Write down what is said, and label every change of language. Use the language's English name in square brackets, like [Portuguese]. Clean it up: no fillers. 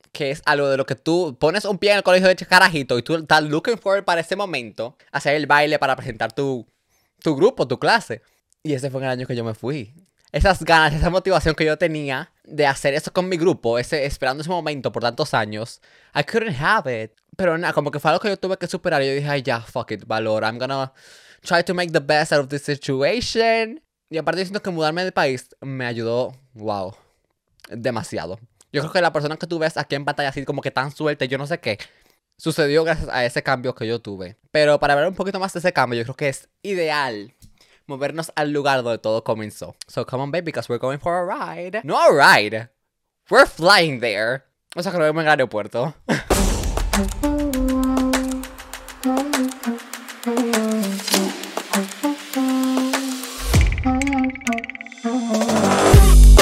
[Spanish] Que es algo de lo que tú pones un pie en el colegio de carajito y tú estás [English] looking forward [Spanish] para ese momento, hacer el baile para presentar tu grupo, tu clase. Y ese fue el año que yo me fui. Esas ganas, esa motivación que yo tenía de hacer eso con mi grupo, esperando ese momento por tantos años, [English] I couldn't have it. [Spanish] Pero nada, como que fue algo que yo tuve que superar. Y yo dije, ay, ya, [English] fuck it, [Spanish] valor. [English] I'm gonna try to make the best out of this situation. [Spanish] Y aparte, siento que mudarme de país me ayudó, wow, demasiado. Yo creo que la persona que tú ves aquí en pantalla, así como que tan suelta, yo no sé qué, sucedió gracias a ese cambio que yo tuve. Pero para hablar un poquito más de ese cambio, yo creo que es ideal movernos al lugar donde todo comenzó. [English] So come on, baby, because we're going for a ride. No a ride. We're flying there. [Spanish] O sea, que nos vemos en el aeropuerto. (Risa)